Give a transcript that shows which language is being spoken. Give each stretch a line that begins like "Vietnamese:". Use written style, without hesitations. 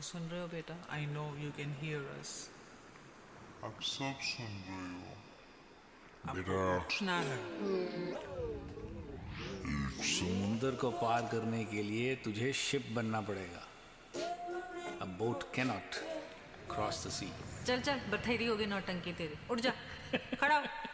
Hindi: सुन रहे हो बेटा?
English: I know you can hear us.
Hindi: आप सब सुन रहे हो? बेटा, पूछना है। समुंदर को पार करने के लिए तुझे शिप बनना पड़ेगा।
English: A boat cannot cross the sea.
Hindi: चल चल, बथेरी होगी नौटंकी तेरी। उठ जा, खड़ा हो।